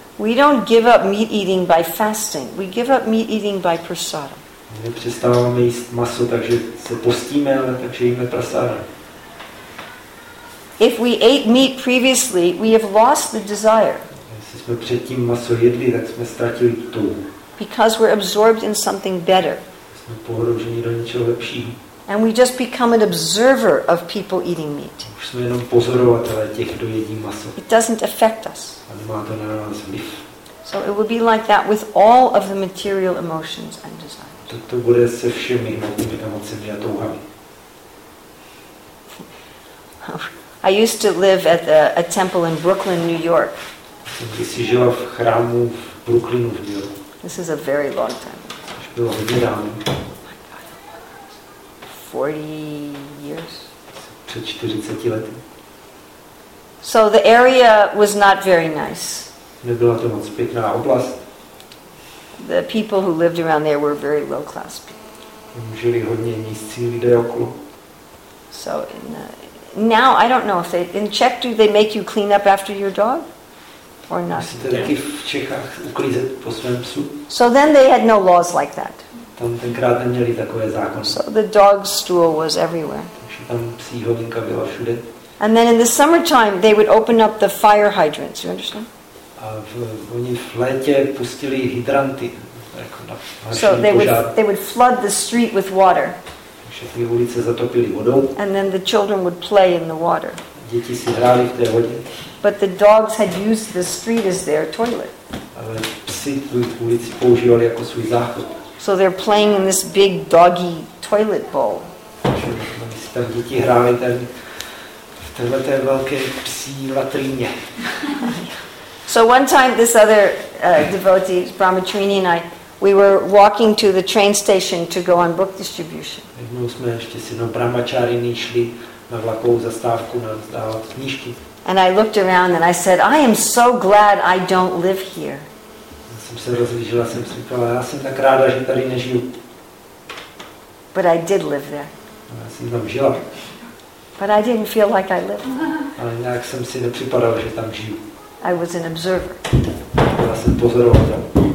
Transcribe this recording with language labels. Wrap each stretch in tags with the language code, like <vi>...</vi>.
<en>We don't give up meat eating by fasting. We give up meat eating by prasada.</en> <cs>Nepřestáváme jíst maso, takže se postíme, ale takže jíme prasada.</cs> <en>If we ate meat previously, we have lost the desire.</en> <cs>Jestli jsme předtím maso jedli, tak jsme ztratili tu.</cs> <en>Because we're absorbed in something better.</en> <cs>Jsme pohlouženi do něčeho lepšího.</cs> <en>And we just become an observer of people eating meat.</en> <cs>Už jsme jenom pozorovatelé těch, kdo jedí maso.</cs> <en>It doesn't affect us.</en> <cs>A nemá to na nás vliv.</cs> <en>So it will be like that with all of the material emotions and desires.</en> <cs>Tak to bude se všemi hmotnými emocemi a touhami.</cs> <en>I used to live at a temple in Brooklyn, New York.</en> <cs>Když jsi žila v chrámu v Brooklynu v New York.</cs> <en>This is a very long time.</en> <cs>Už bylo hodně dávno.</cs> <en>40 years.</en> <cs>Před 40 lety.</cs> <en>So the area was not very nice.</en> <cs>Nebyla to moc pěkná oblast.</cs> <en>The people who lived around there were very low class people.</en> <cs>Žili hodně nízcí lidé okolo.</cs> <en>So now I don't know if they in Czech do they make you clean up after your dog or not.</en> <cs>Jste taky v Čechách uklízet po svém psu?</cs> <en>So then they had no laws like that.</en> <cs>Tam tenkrát neměli takové zákony.</cs> <en>So the dog stool was everywhere.</en> <cs>Takže tam psí hodinka byla všude.</cs> <en>And then in the summertime they would open up the fire hydrants, you understand?</en> <cs>A oni v létě pustili hydranty. Jako na</cs> <en>so they would flood the street with water.</en> <cs>Všechny ulice zatopili vodou.</cs> <en>And then the children would play in the water.</en> <cs>Děti si hrály v té vodě.</cs> <en>But the dogs had used the street as their toilet.</en> <cs>Ale psi tu ulici používali jako svůj záchod.</cs> <en>So they're playing in this big doggy toilet bowl.</en> <cs>Tam děti hrály ten v téhleté velké psí latrině.</cs> <en>So one time this other devotee, Brahmacharini and I, we were walking to the train station to go on book distribution.</en> <cs>Jednou jsme ještě s jednou Brahmacharini šli na vlakovou zastávku na dávat knížky.</cs> <en>And I looked around and I said, I am so glad I don't live here.</en> <cs>Jsem se rozlížila, jsem si říkala, já jsem tak ráda, že tady nežiju.</cs> <en>But I did live there.</en> <cs>A já jsem tam žila.</cs> <en>But I didn't feel like I lived.</en> <cs>Ale nějak jsem si nepřipadala, že tam žiju.</cs> <en>I was an observer.</en> <cs>Já jsem pozorovatel.</cs>